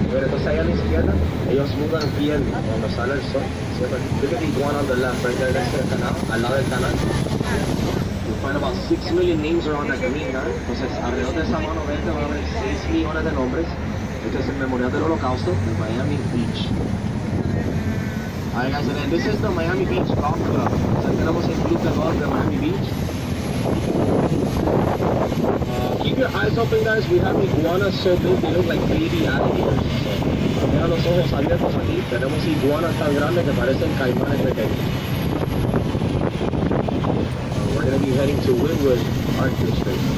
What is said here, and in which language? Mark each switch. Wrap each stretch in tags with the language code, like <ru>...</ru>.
<es>Pero entonces ahí a la izquierda, ellos mudan piel cuando sale el sol.</es> <en>So, look at the one on the left, right there, next to the canal,</en> <es>al lado del canal.</es> <en>You find about 6 million names around the green, right?</en> <es>Entonces, alrededor de esa mano verde van a haber 6 millones de nombres. Esto es el memorial del holocausto de Miami Beach.</es> <en>Alright guys, and then this is the Miami Beach Golf Club. So,</en> <es>tenemos el club de golf de Miami Beach.</es> <en>Keep your eyes open, guys. We have iguanas so big they look like baby alligators.</en> <es>Mira los ojos abiertos aquí. Tenemos iguanas tan grandes que parecen caimanes pequeños.</es> <en>We're going to be heading to Wynwood Art District.</en>